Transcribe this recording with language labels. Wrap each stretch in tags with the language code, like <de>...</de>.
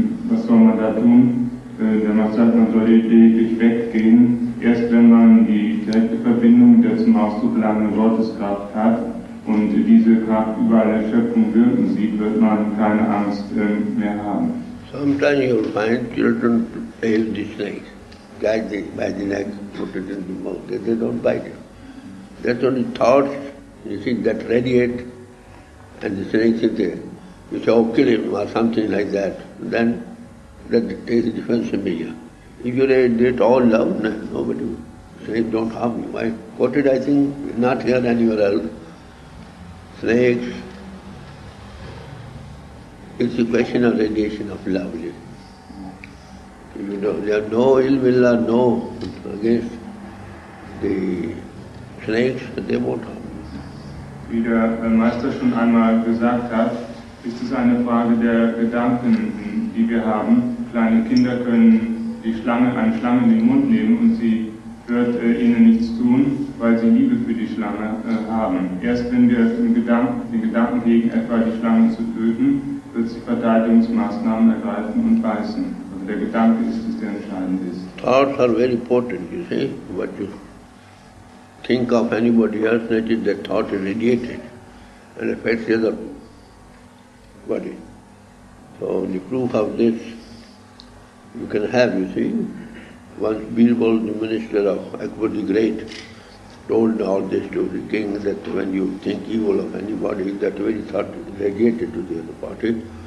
<de>Was soll man da tun? Der Mann sagt, man soll lediglich weggehen. Erst wenn man die direkte Verbindung, der zum Ausdruck langen Gotteskraft hat und diese Kraft überall in der Schöpfung wirken sieht, wird man keine Angst mehr haben.</de> <en>Sometimes you'll find children to tail the snakes, guide them by the neck, put it in the mouth, that they don't bite it. That's only thoughts, you see, that radiate, and the snake sit there. You say, oh, kill him, or something like that. Then that takes a different symbol. If you radiate it all love, then nobody, snakes don't harm you. I quoted, I think, not here anywhere else, snakes. It's a question of radiation of love. You know, there are no ill will or no against the snakes, but they won't harm you.</en> <de>Wie der Meister schon einmal gesagt hat, ist es eine Frage der Gedanken, die wir haben. Kleine Kinder können eine Schlange in den Mund nehmen und sie wird ihnen nichts tun, weil sie Liebe für die Schlange haben. Erst wenn wir den Gedanken hegen, etwa die Schlange zu töten, wird sie Verteidigungsmaßnahmen ergreifen und beißen. Also der Gedanke ist es, der entscheidend ist.</de> <en>Thoughts are very important, you see. What you think of anybody else, that is the thought is radiated and affects the other body. So the proof of this you can have, you see. Once Birbal, the minister of Akbar the Great, told all this to the king, that when you think evil of anybody, that very thought radiated to the other party.</en>